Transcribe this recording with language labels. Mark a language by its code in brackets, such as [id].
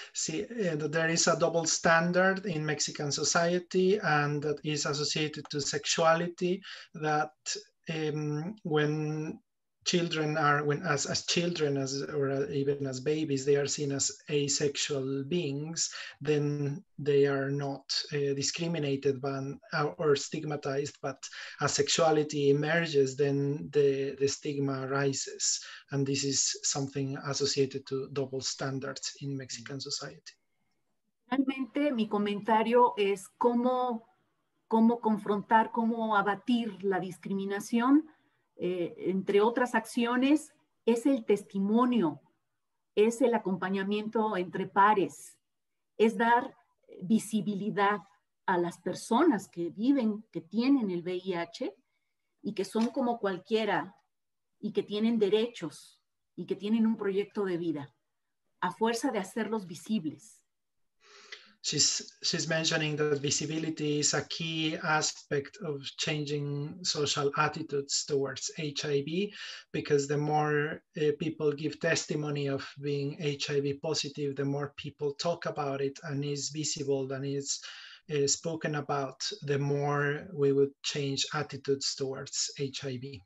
[en] See, there is a double standard in Mexican society, and that is associated to sexuality, that when children are, as babies, they are seen as asexual beings, then they are not discriminated or stigmatized, but as sexuality emerges, then the stigma arises. And this is something associated to double standards in Mexican society. [es] Realmente, mi comentario es cómo confrontar, cómo abatir la discriminación. Entre otras acciones, es el testimonio, es el acompañamiento entre pares, es dar visibilidad a las personas que viven, que tienen el VIH y que son como cualquiera y que tienen derechos y que tienen un proyecto de vida, a fuerza de hacerlos visibles. [en] She's mentioning that visibility is a key aspect of changing social attitudes towards HIV, because the more people give testimony of being HIV positive, the more people talk about it and is visible and is spoken about, the more we would change attitudes towards HIV.